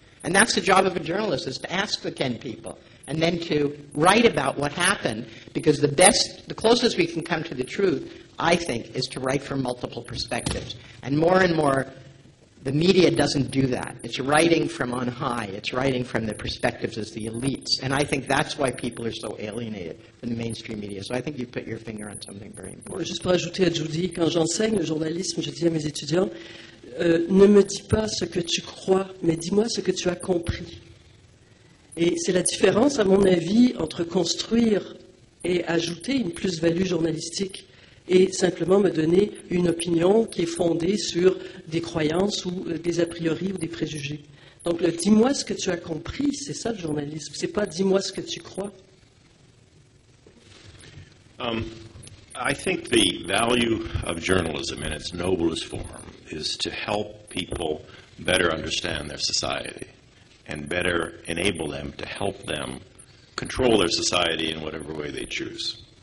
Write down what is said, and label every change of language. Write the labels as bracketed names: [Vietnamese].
[English] And that's the job of a journalist, is to ask the 10 people and then to write about what happened, because the closest we can come to the truth, I think, is to write from multiple perspectives. And more, the media doesn't do that. It's writing from on high. It's writing from the perspectives of the elites. And I think that's why people are so alienated from the mainstream media. So I think you put your finger on something very important. [French] Juste pour ajouter à Judy, quand j'enseigne le journalisme, je dis à mes étudiants, ne me dis pas ce que tu crois, mais dis-moi ce que tu as compris. Et c'est la différence, à mon avis, entre construire et ajouter une plus-value journalistique et simplement me donner une opinion qui est fondée sur des croyances ou des a priori ou des préjugés. Donc, le « dis-moi ce que tu as compris », c'est ça le journalisme. C'est pas « dis-moi ce que tu crois ». [English] I think the value of journalism in its noblest form is to help people better understand their society and better enable them to help them control their society in whatever way they choose.